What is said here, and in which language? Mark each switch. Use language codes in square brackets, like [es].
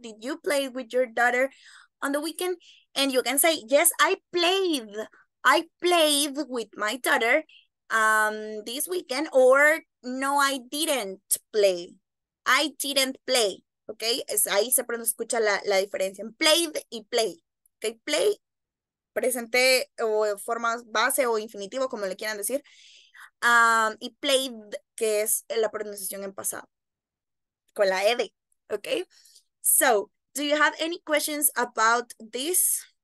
[en] Did you play with your daughter on the weekend? And you can say, yes, I played with my daughter this weekend. Or no, I didn't play. I didn't play. [es] Okay, es ahí se escucha la diferencia en played y play. Okay, play, presente o forma base o infinitivo, como le quieran decir. Y played, que es la pronunciación en pasado. Con la ED, okay? [en] So, do you have any questions about this?